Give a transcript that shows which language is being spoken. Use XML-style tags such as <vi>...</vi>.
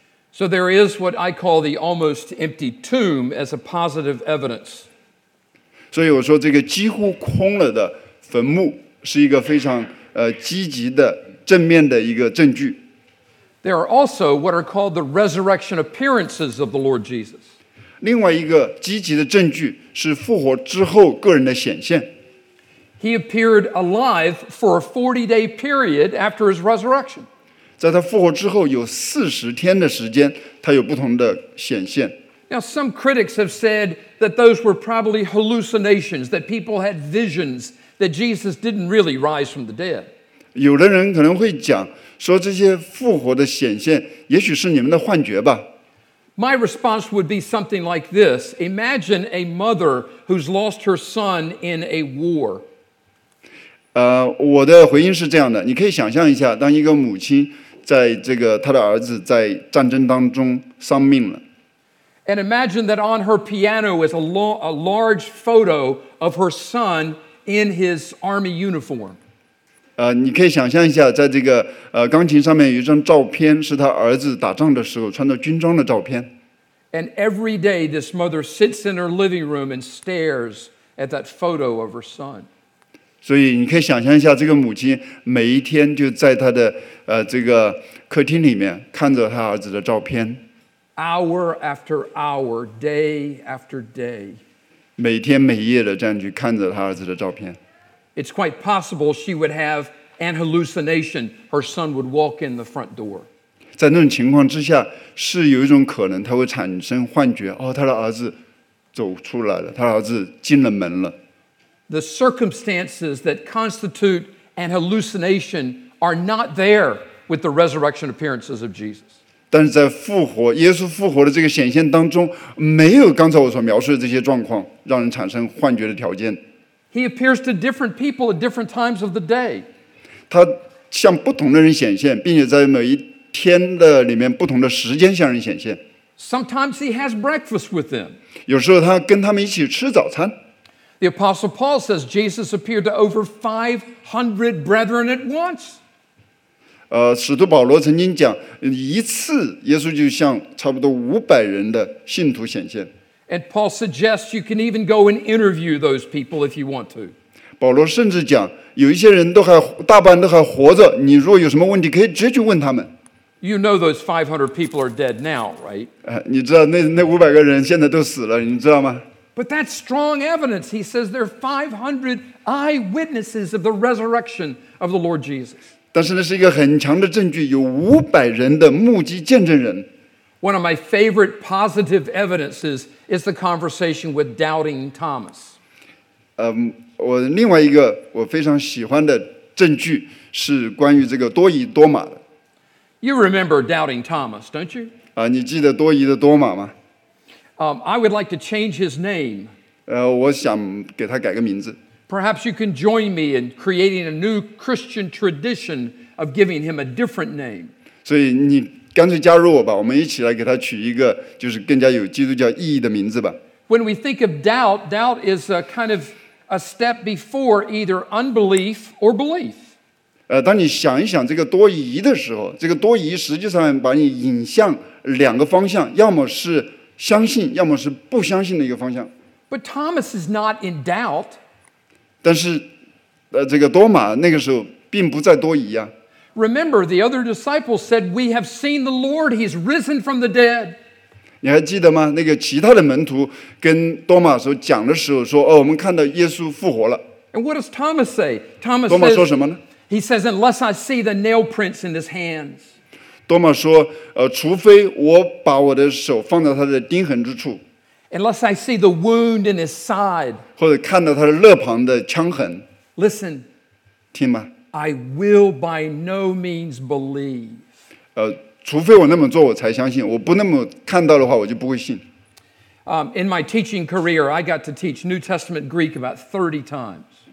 <en>So there is what I call the almost empty tomb as a positive evidence.</en> <zh>所以我说这个几乎空了的坟墓是一个非常积极的正面的一个证据。</zh> <en>There are also what are called the resurrection appearances of the Lord Jesus.</en> <zh>另外一个积极的证据是复活之后个人的显现。</zh> <en>He appeared alive for a 40-day period after his resurrection.</en> <zh>在他复活之后有40天的时间他有不同的显现。</zh> <en>Now some critics have said that those were probably hallucinations, that people had visions, that Jesus didn't really rise from the dead.</en> <zh>有的人可能会讲说这些复活的显现也许是你们的幻觉吧。</zh> <en>My response would be something like this. Imagine a mother who's lost her son in a war.</en> <zh>我的回应是这样的。你可以想象一下当一个母亲在这个她的儿子在战争当中丧命了。</zh> <en>And imagine that on her piano is a large photo of her son in his army uniform.</en> <zh>你可以想象一下在这个钢琴上面有一张照片是他儿子打仗的时候穿着军装的照片。</zh> <en>And every day this mother sits in her living room and stares at that photo of her son.</en> <zh>所以你可以想象一下这个母亲每一天就在她的这个客厅里面看着她儿子的照片。</zh> <en>Hour after hour, day after day.</en> <zh>每天每夜的这样去看着她儿子的照片。</zh> <en>It's quite possible she would have an hallucination. Her son would walk in the front door.</en> <zh>在那种情况之下，是有一种可能，他会产生幻觉。哦，他的儿子走出来了，他的儿子进了门了。</zh> <en>The circumstances that constitute an hallucination are not there with the resurrection appearances of Jesus.</en> <zh>但是在复活，耶稣复活的这个显现当中，没有刚才我所描述的这些状况，让人产生幻觉的条件。</zh> <en>He appears to different people at different times of the day.</en> <zh>他向不同的人显现，并且在每一天的里面不同的时间向人显现。</zh> <en>Sometimes he has breakfast with them.</en> <zh>有时候他跟他们一起吃早餐。</zh> <en>The Apostle Paul says Jesus appeared to over 500 brethren at once.</en> <zh>使徒保罗曾经讲，一次耶稣就向差不多500人的信徒显现。</zh> <en>And Paul suggests you can even go and interview those people if you want to.</en> <zh>保罗甚至讲，有一些人都还大半都还活着，你如果有什么问题，可以直接去问他们。</zh> <en>You know those 500 people are dead now, right?</en> <zh>你知道那五百个人现在都死了，你知道吗？</zh> <en>But that's strong evidence. He says there are 500 eyewitnesses of the resurrection of the Lord Jesus.</en> <zh>但是那是一个很强的证据，有五百人的目击见证人。</zh> <en>One of my favorite positive evidences is the conversation with doubting Thomas.</en> <zh>我另外一个我非常喜欢的证据是关于这个多疑多马的。</zh> <en>You remember doubting Thomas, don't you?</en> <zh>你记得多疑的多马吗？</zh> <en>I would like to change his name.</en> <zh>我想给他改个名字。</zh> <en>Perhaps you can join me in creating a new Christian tradition of giving him a different name.</en> <zh>所以你。干脆加入我吧，我们一起来给他取一个就是更加有基督教意义的名字吧。</zh> <en>When we think of doubt, doubt is a kind of a step before either unbelief or belief.</en> <zh>当你想一想这个多疑的时候，这个多疑实际上把你引向两个方向，要么是相信，要么是不相信的一个方向。</zh> <en>But Thomas is not in doubt.</en> <zh>但是，这个多马那个时候并不再多疑啊。</zh> <en>Remember, the other disciples said, "We have seen the Lord; He's risen from the dead."</en> <zh>你还记得吗？那个其他的门徒跟多马所讲的时候说，哦，我们看到耶稣复活了。</zh> <en>And what does Thomas say? Thomas</en> <zh>多马说什么呢？</zh> <en>He says, "Unless I see the nail prints in his hands."</en> <zh>多马说，除非我把我的手放在他的钉痕之处。</zh> <en>unless I see the wound in his side,</en> <zh>或者看到他的肋旁的枪痕,</zh> <en>listen,</en> <zh>听吗?</zh> <en>I will by no means believe.</en> <zh>除非我那么做我才相信，我不那么看到的话我就不会信。</zh> <en>In my teaching career, I got to teach New Testament Greek about 30 times.</en>